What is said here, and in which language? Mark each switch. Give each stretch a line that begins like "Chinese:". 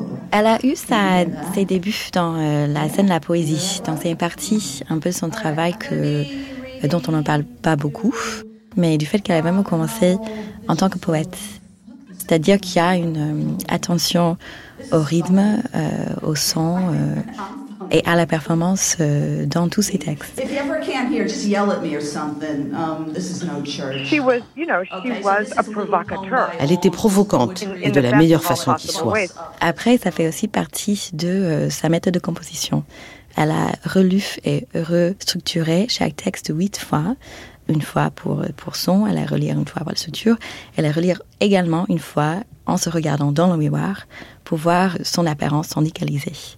French: Elle a eu ses débuts dans la scène de la poésie, dans ses parties, un peu son travail dont on n'en parle pas beaucoup, mais du fait qu'elle a vraiment commencé en tant que poète. C'est-à-dire qu'il y a une attention au rythme, au son et à la performance dans tous ses textes.
English: If you ever can't hear, just yell at me or something. This is no church. She was, you know, she was a provocateur.
French: Elle était provocante et de la meilleure façon qui soit. Après, ça fait aussi partie de sa méthode de composition. Elle a relu et restructuré chaque texte 8 fois. Une fois pour son, elle a relire une fois pour la structure. Elle a relire également une fois en se regardant dans le miroir pour voir son apparence syndicalisée.